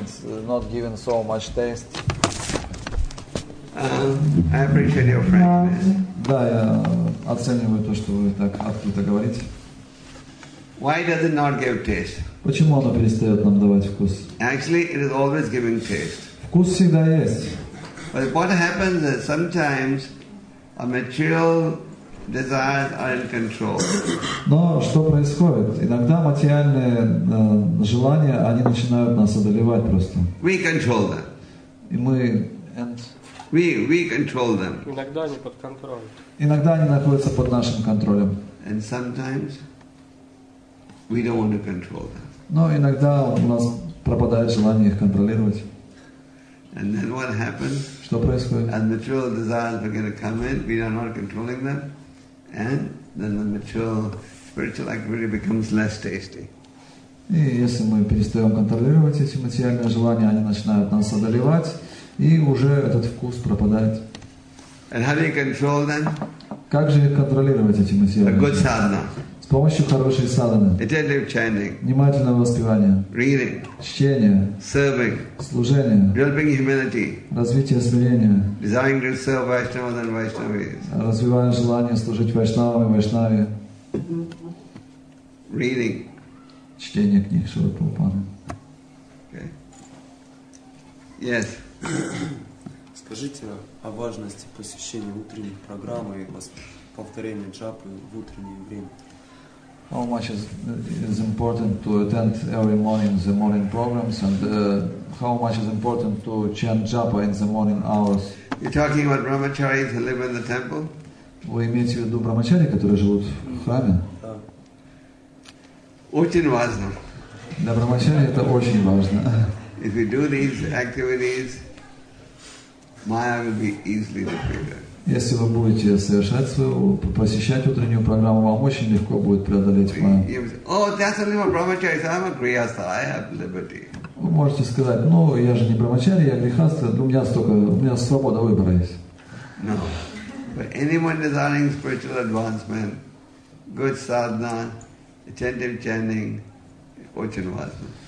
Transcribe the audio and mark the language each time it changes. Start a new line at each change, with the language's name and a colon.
English: It's not giving so much taste. I appreciate your frankness.
Russian: Да, я оцениваю то, что вы так открыто говорите.
English: Why does it not give taste?
Russian: Почему оно перестает нам давать вкус?
English: Actually, it is always giving taste.
Russian: Вкус всегда есть.
English: But what happens is sometimes our material desires are in control.
Russian: Но что происходит? Иногда материальные желания, они начинают нас одолевать просто.
English: We control them.
Russian: И мы
English: We control them.
Russian: Иногда они под контролем. Иногда они находятся под нашим контролем.
English: And sometimes we don't want to control them.
Russian: Но иногда у нас пропадает желание их контролировать.
English: And then what happens?
Russian: Что происходит?
English: And material desires begin to come in. We are not controlling them, and then the material spiritual activity becomes less tasty.
Russian: И если мы перестаем контролировать эти материальные желания, они начинают нас одолевать. И уже этот вкус пропадает.
English: And how do you control them?
Russian: Как же контролировать эти материалы?
English: A good sadhana.
Russian: С помощью хорошей садханы.
English: Attentive chanting.
Russian: Внимательное воспевание.
English: Reading.
Russian: Чтение.
English: Serving.
Russian: Служение.
English: Developing humility.
Russian: Развитие смирения.
English: Desiring to serve Vaishnavas and Vaishnavis.
Russian: Развивая желание служить Вайшнавам и Вайшнаве.
English: Reading.
Russian: Чтение книг Шрилы Прабхупады.
English: Okay. Yes.
Russian: Скажите о важности посещения утренней программы и повторения джапы в утреннее время.
English: How much is important to attend every morning the morning programs and how much is important to chant japa in the morning hours? You're talking about brahmacharis who live in the temple?
Russian: Вы имеете в виду брахмачари, которые живут в храме? Да. Очень важно. Для брахмачари это очень важно.
English: If you do these activities, Maya will be easily defeated.
Russian: Если вы будете совершать свою, посещать утреннюю программу, вам очень легко будет преодолеть Майю.
English: Oh, that's only my brahmacharya. I'm a grihastha. I have liberty.
Russian: Вы можете сказать: "Ну, я же не брахмачари, я грихастха. У меня свобода выбора есть."
English: No, but anyone desiring spiritual advancement, good sadhana, attentive chanting,
Russian: очень важно.